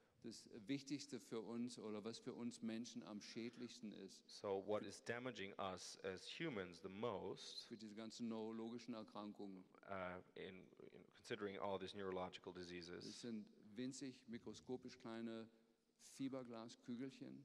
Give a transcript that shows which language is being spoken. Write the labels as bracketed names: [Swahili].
[German] das Wichtigste für uns oder was für uns Menschen am schädlichsten ist. [English] So what is damaging us as humans the most? [German] Für diese ganzen neurologischen Erkrankungen. [English] In considering all these neurological diseases. [German] Das sind winzig, mikroskopisch kleine Fiberglaskügelchen.